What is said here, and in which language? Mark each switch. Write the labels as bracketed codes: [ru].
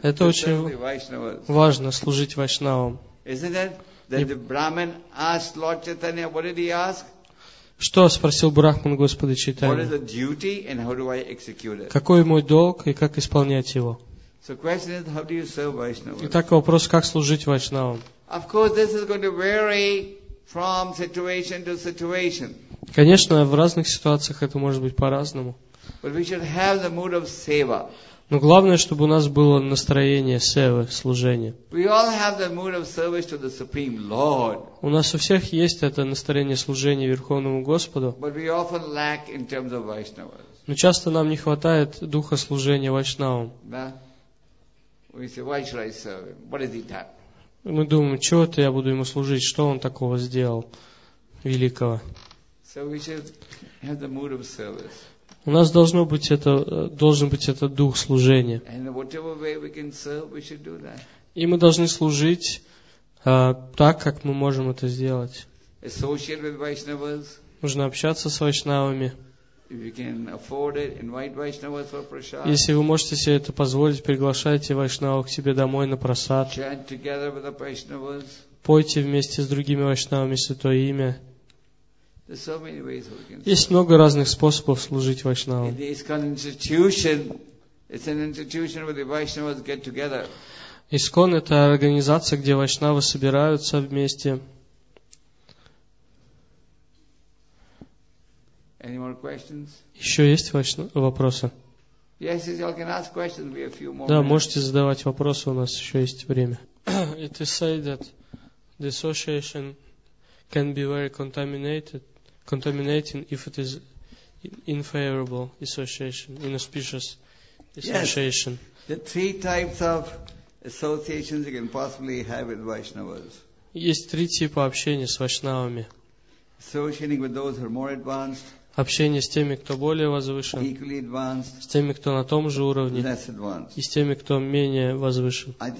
[ru] Это очень важно, служить Вайшнавам. [en] Isn't it? That the Brahman asked Lord Chaitanya, what did he ask? [ru] Что спросил Брахман Господа Чайтанья? [en] What is the duty and how do I execute it? [ru] Какой мой долг и как исполнять его? [en] So question is, how do you serve Vaishnavas? [ru] Итак, вопрос, как служить Вайшнавам? [en] Of course, this is going to vary from situation to situation. [ru] Конечно, в разных ситуациях это может быть по-разному. [en] But we should have the mood of seva. [ru] Но главное, чтобы у нас было настроение севы, служения. [en] We all have the mood of service to the Supreme Lord. [ru] У нас у всех есть это настроение служения Верховному Господу. [en] But we often lack in terms of Vaishnavas. [ru] Но часто нам не хватает духа служения Вайшнавам. [en] Да? We say, why should I serve him? What is he done? [ru] Мы думаем, чего это я буду ему служить, что он такого сделал великого. [en] So we should have the mood of service. [ru] У нас должен быть это дух служения. [en] And whatever way we can serve, we should do that. [ru] И мы должны служить так, как мы можем это сделать. [en] Associate with Vaishnavas. [ru] Нужно общаться с Вайшнавами. [en] If you can afford it, invite Vaishnavas for prasad. [ru] Если вы можете себе это позволить, приглашайте Вайшнаву к себе домой на просад. [en] Chant together with the Vaishnavas. [ru] Пойте вместе с другими Вайшнавами святое имя. [en] There's so many ways we can. [ru] Есть много разных способов служить Вайшнавам. [en] In the ISKCON institution, it's an institution where the Vaishnavas get together. [ru] ISKCON это организация, где Вайшнавы собираются вместе. [en] Any more questions? [ru] Еще есть вопросы? [en] Yes, you can ask questions. We have a few more. [ru] Да, можете задавать вопросы, у нас еще есть время. [en] It is said that the association can be very contaminating if it is unfavorable association, inauspicious association. Yes. The three types of associations you can possibly have with Vaishnavas. [ru] Есть три типа общения с Вайшнавами. [en] Associating with those who are more advanced. [ru] Общение с теми, кто более возвышен, [en] advanced, [ru] с теми, кто на том же уровне, и с теми, кто менее возвышен.